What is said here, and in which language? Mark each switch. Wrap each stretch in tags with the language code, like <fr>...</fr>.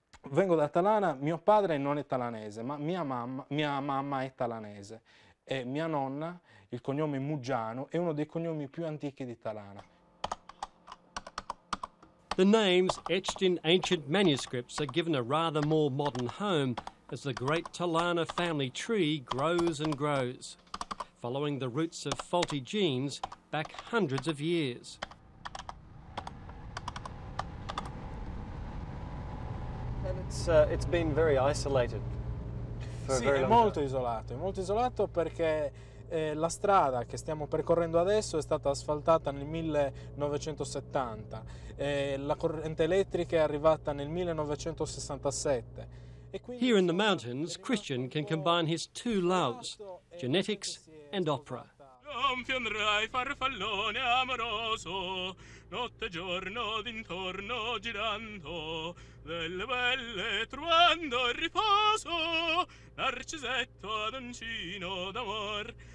<it>Vengo da Talana, mio padre non è talanese, ma mia mamma è talanese. E mia nonna, il cognome Muggiano, è uno dei cognomi più antichi di Talana.</it> <en>The names etched in ancient manuscripts are given a rather more modern home as the great Talana family tree grows and grows, following the roots of faulty genes back hundreds of years. And it's been very isolated for</en> <it>sì,</it> <en>a very long time.</en> <it>È molto isolato perché la strada che stiamo percorrendo adesso è stata asfaltata nel 1970, la corrente elettrica è arrivata nel 1967.</it> <en>Here in the mountains, Christian can combine his two loves, genetics and opera.</en> <it>Non fiandrai farfallone amoroso, notte giorno d'intorno girando, delle belle trovando il riposo, narcisetto ad uncino d'amor.</it>